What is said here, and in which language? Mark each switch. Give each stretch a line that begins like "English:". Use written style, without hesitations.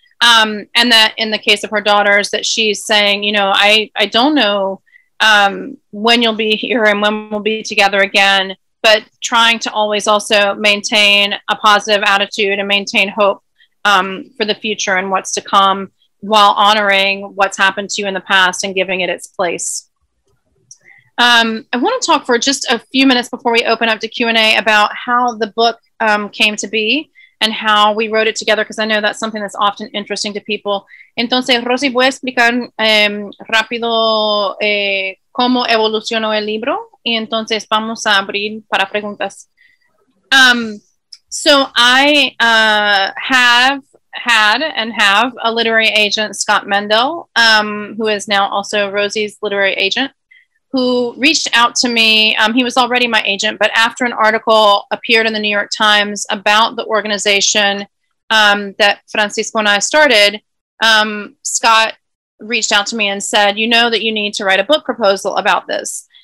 English: And that in the case of her daughters, that she's saying, you know, I don't know when you'll be here and when we'll be together again, but trying to always also maintain a positive attitude and maintain hope for the future and what's to come while honoring what's happened to you in the past and giving it its place. I want to talk for just a few minutes before we open up to Q&A about how the book came to be and how we wrote it together, because I know that's something that's often interesting to people.
Spanish: Entonces, Rosy, ¿puedes explicar rápido cómo evolucionó el libro? Y entonces vamos a abrir para preguntas.
English: So I have a literary agent, Scott Mendel, who is now also Rosy's literary agent, who reached out to me. He was already my agent, but after an article appeared in the New York Times about the organization that Francisco and I started, Scott reached out to me and said, you know that you need to write a book proposal about this.